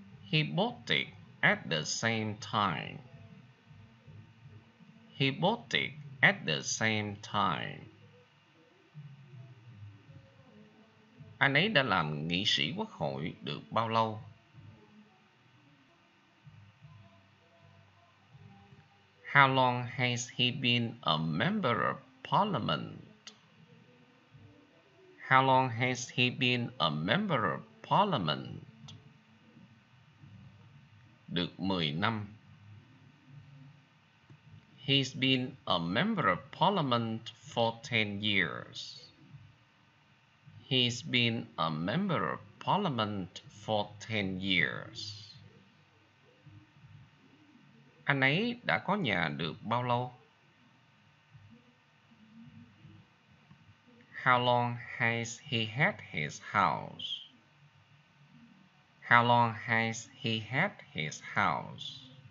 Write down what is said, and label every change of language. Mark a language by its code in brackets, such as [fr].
[en] He bought it at the same time. He bought it at the same time. [vi] Anh ấy đã làm nghị sĩ quốc hội được bao lâu? [en] How long has he been a member of parliament? How long has he been a member of parliament? [vi] Được 10 năm. [en] He's been a member of parliament for 10 years. He's been a member of parliament for 10 years. [vi] Anh ấy đã có nhà được bao lâu? [en] How long has he had his house? How long has he had his house?